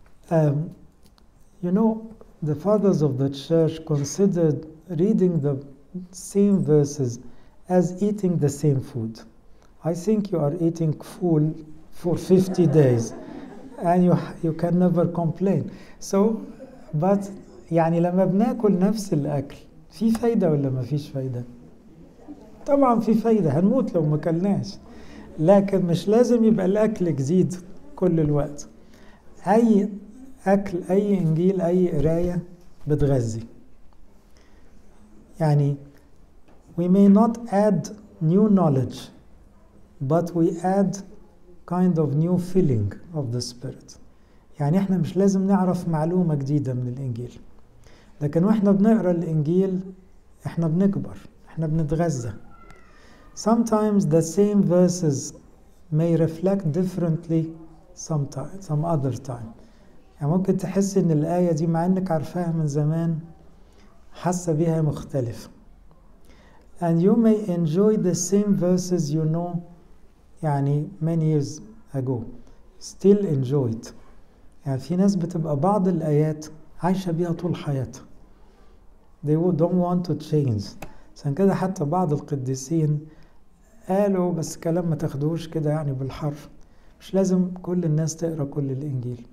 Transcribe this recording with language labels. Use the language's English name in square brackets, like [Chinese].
[English] You know, the fathers of the church considered reading the same verses as eating the same food. I think you are eating full for 50 days and you can never complain. [Arabic] So, but يعني لما بناكل نفس الأكل في فايدة ولا ما فيش فايدة؟ طبعا في فايدة، هنموت لو ما كلناش. لكن مش لازم يبقى الأكل جديد كل الوقت. أي أكل، أي إنجيل، أي قراية بتغذي. [English] يعني we may not add new knowledge, but we add kind of new feeling of the spirit. [Arabic] يعني إحنا مش لازم نعرف معلومة جديدة من الإنجيل، لكن وإحنا بنقرأ الإنجيل إحنا بنكبر، إحنا بنتغذى. [English] Sometimes the same verses may reflect differently some other time. [Arabic] يعني ممكن تحس ان الآية دي مع انك عارفاها من زمان حاسة بيها مختلفة. [English] And you may enjoy the same verses you know يعني many years ago. Still enjoy it. [Arabic] يعني في ناس بتبقى بعض الآيات عايشة بيها طول حياتها. [English] They don't want to change. [Arabic] عشان كده حتى بعض القديسين قالوا بس كلام ما تاخدوش كده يعني بالحرف. مش لازم كل الناس تقرأ كل الإنجيل.